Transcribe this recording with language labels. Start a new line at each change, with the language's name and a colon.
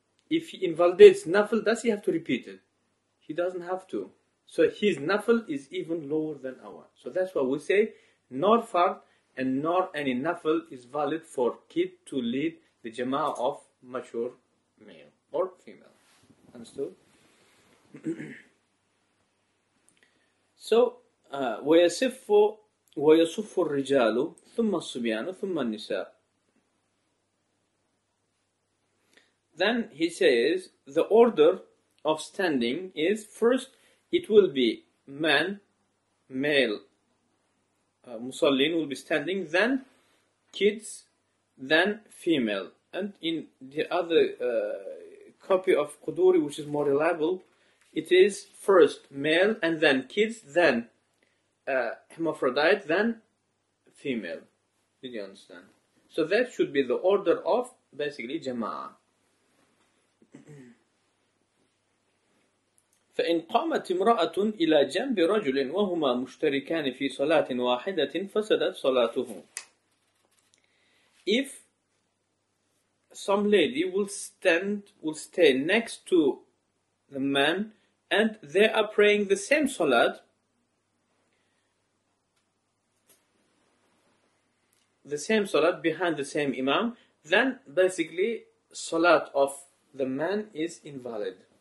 English: If he invalidates Nafal, does he have to repeat it? He doesn't have to. So his Nafal is even lower than our. So that's why we say, nor fard and nor any Nafal is valid for kid to lead the jama'ah of mature male or female. Understood?
Arabic: So, وَيَصِفُ الرِّجَالُ ثُمَّ الصُّبِيَانُ ثُمَّ النِّسَاءُ.
English: Then he says, the order of standing is, first, it will be men, male, musallin will be standing, then kids, then female. And in the other copy of Quduri, which is more reliable, it is first male and then kids, then hermaphrodite, then female. Did you understand? So that should be the order of basically jama'ah.
Arabic: فإن قامت امرأة إلى جنب رجل وهما مشتركان في صلاة واحدة فسدت صلاته.
English: If some lady will stay next to the man and they are praying the same salat, the same salat behind the same imam, then basically salat of the man is invalid.